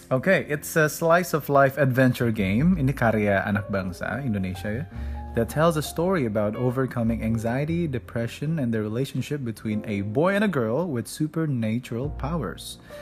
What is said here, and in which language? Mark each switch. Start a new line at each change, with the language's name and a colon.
English: Oke, it's a slice of life adventure game.
Indonesian: Ini karya anak bangsa Indonesia ya.
English: That tells a story about overcoming anxiety, depression, and the relationship between a boy and a girl with supernatural powers.